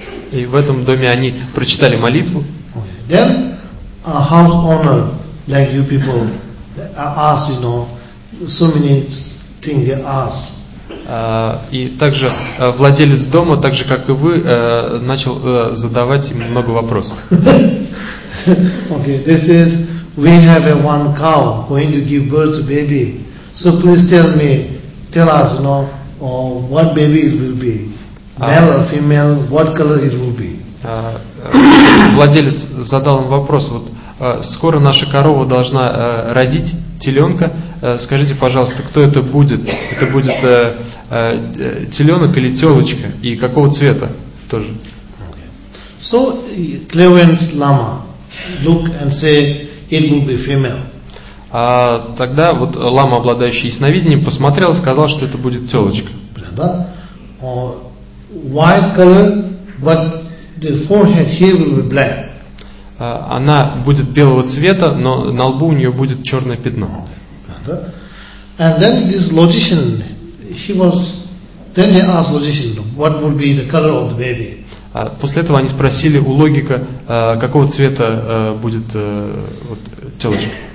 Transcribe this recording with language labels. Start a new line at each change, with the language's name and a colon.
Russian: И в этом доме они прочитали молитву.
English: Then a house owner like you people ask, you know, so many things they ask.
Russian: И также владелец дома, так же как и вы, начал задавать им много вопросов.
English: Okay, this is we have a one cow going to give birth to baby. So please tell us, you know, what baby it will be, male or female, what color it will be.
Russian: Владелец задал им вопрос: вот скоро наша корова должна родить теленка. Скажите, пожалуйста, кто это будет? Это будет теленок или телочка? И какого цвета тоже?
English: So clairvoyant lama look and say it will be female.
Russian: Тогда вот лама, обладающий ясновидением, посмотрел и сказал, что это будет телочка. Да?
English: White color, but the forehead here will be black.
Russian: Она будет белого цвета, но на лбу у нее будет черное пятно.
English: And then this logician, he was. Then they asked logician, what would be the color of the baby?
Russian: После этого они спросили у логика, какого цвета будет вот телочка.